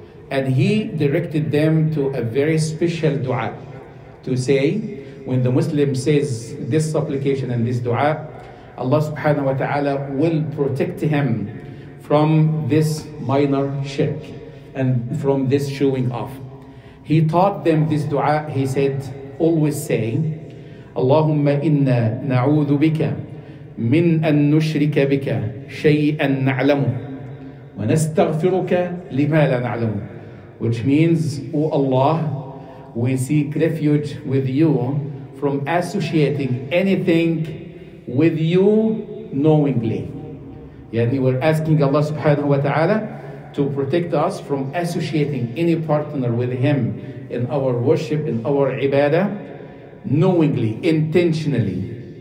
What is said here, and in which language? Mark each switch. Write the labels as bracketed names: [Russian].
[English] And he directed them to a very special dua, to say, when the Muslim says this supplication and this dua, Allah subhanahu wa ta'ala will protect him from this minor shirk and from this showing off. He taught them this dua. He said, always say, [Arabic] Allahumma inna na'udhu bika من أن نشرك بك شيئا نعلمه ونستغفرك لما لا نعلمه. [English] Which means, O Allah, we seek refuge with you from associating anything with you knowingly. يعني we're asking Allah subhanahu wa ta'ala to protect us from associating any partner with him in our worship, in our ibadah, knowingly, intentionally.